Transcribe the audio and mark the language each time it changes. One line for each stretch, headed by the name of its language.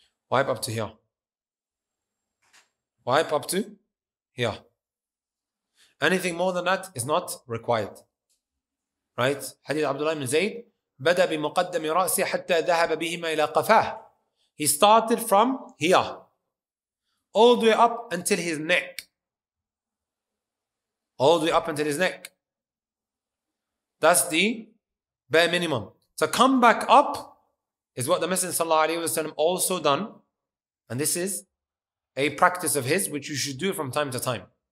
English: Wipe up to here. Wipe up to here. Anything more than that is not required. Right?
Arabic: Hadith Abdullah ibn Zayd, بَدَى بِمُقَدَّمِ رَأْسِ حَتَّى ذَهَبَ بِهِمَا إِلَى قَفَاهِ.
English: He started from here. All the way up until his neck. All the way up until his neck. That's the bare minimum. To come back up is what the Messenger Sallallahu Alaihi Wasallam also done. And this is a practice of his which you should do from time to time.